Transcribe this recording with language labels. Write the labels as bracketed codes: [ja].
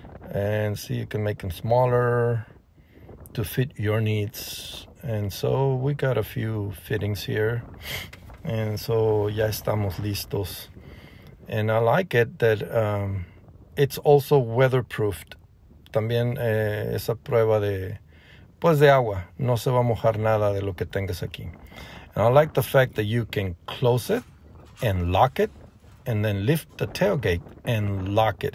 [en] And see, you can make them smaller to fit your needs. And so we got a few fittings here. And so [es] ya estamos listos. [en] And I like it that it's also weatherproofed. [es] También esa prueba de... Pues de agua, no se va a mojar nada de lo que tengas aquí. [en] And I like the fact that you can close it and lock it and then lift the tailgate and lock it.